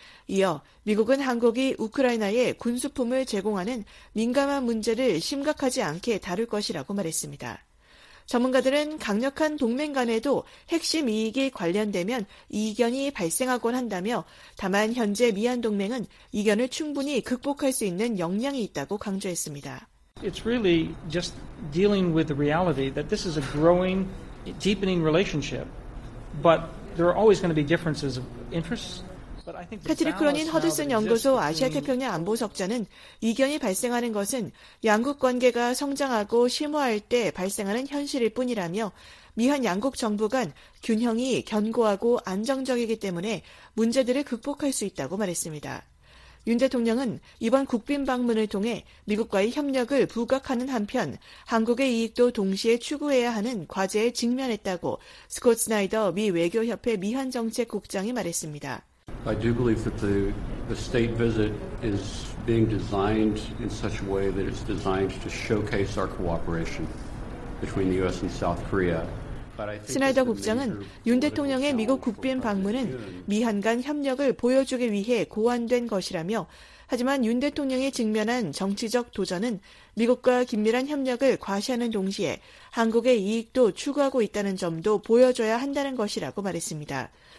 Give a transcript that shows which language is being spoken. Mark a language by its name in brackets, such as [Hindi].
[Korean] 이어 미국은 한국이 우크라이나에 군수품을 제공하는 민감한 문제를 심각하지 않게 다룰 것이라고 말했습니다. 전문가들은 강력한 동맹 간에도 핵심 이익이 관련되면 이견이 발생하곤 한다며 다만 현재 미한 동맹은 이견을 충분히 극복할 수 있는 역량이 있다고 강조했습니다. [English] It's really just dealing with the reality that this is a growing, deepening relationship. But there are always going to be differences of interests. [Korean] 패트릭 크로닌 허드슨 연구소 아시아태평양 안보석자는 이견이 발생하는 것은 양국 관계가 성장하고 심화할 때 발생하는 현실일 뿐이라며 미한 양국 정부 간 균형이 견고하고 안정적이기 때문에 문제들을 극복할 수 있다고 말했습니다. 윤 대통령은 이번 국빈 방문을 통해 미국과의 협력을 부각하는 한편 한국의 이익도 동시에 추구해야 하는 과제에 직면했다고 스콧 스나이더 미 외교협회 미한정책국장이 말했습니다. [English] I do believe that the state visit is being designed in such a way that it's designed to showcase our cooperation between the U.S. and South Korea. [Korean] 스나이더 국장은 윤 대통령의 미국 국빈 방문은 미한 간 협력을 보여주기 위해 고안된 것이라며 하지만 윤 대통령이 직면한 정치적 도전은 미국과 긴밀한 협력을 과시하는 동시에 한국의 이익도 추구하고 있다는 점도 보여줘야 한다는 것이라고 말했습니다.